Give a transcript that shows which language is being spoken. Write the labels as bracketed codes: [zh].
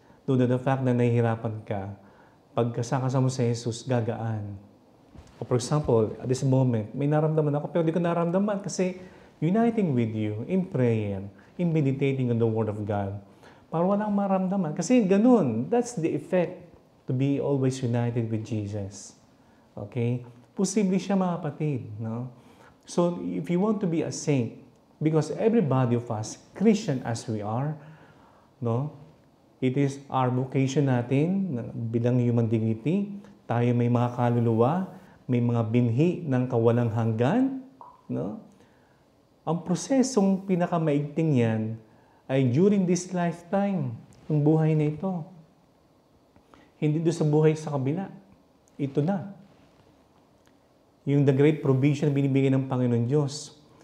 [en] Due to the fact [tl] na nahihirapan ka, pagkasakasama mo sa Jesus, gagaan. [en] For example, at this moment, [tl] may naramdaman ako, pero di ko naramdaman kasi [en] uniting with you in prayer, in meditating on the Word of God, [tl] para walang maramdaman. Kasi ganun, [en] that's the effect to be always united with Jesus. Okay? [tl] Posible siya, mga kapatid, no? [en] So, if you want to be a saint, because everybody of us, Christian as we are, no, it is our vocation [tl] natin bilang [en] human dignity. [tl] Tayo may mga kaluluwa, may mga binhi ng kawalang hanggan, no? Ang prosesong pinakamaigting yan ay [en] during this lifetime, [tl] yung buhay na ito. Hindi doon sa buhay sa kabila. Ito na. Yung [en] the great provision [tl] na binibigay ng Panginoon Diyos.